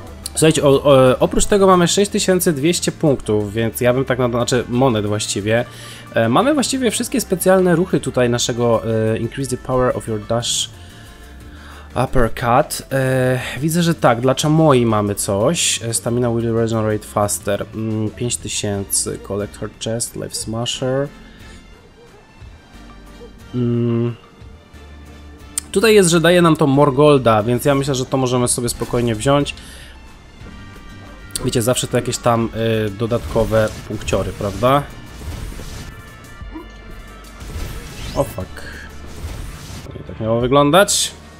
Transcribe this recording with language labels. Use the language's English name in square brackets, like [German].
[Polish] Słuchajcie, oprócz tego mamy 6200 punktów, więc ja bym tak, znaczy monet właściwie. Mamy właściwie wszystkie specjalne ruchy tutaj naszego [English] Increase the power of your dash uppercut. [Polish] Widzę, że tak, dla Chamoi mamy coś. [English] Stamina will regenerate faster. 5000, collect her chest, life smasher. [Polish] Tutaj jest, że daje nam to Morgolda, więc ja myślę, że to możemy sobie spokojnie wziąć. Wiecie, zawsze to jakieś tam dodatkowe punkciory, prawda? O fuck. Nie tak miało wyglądać.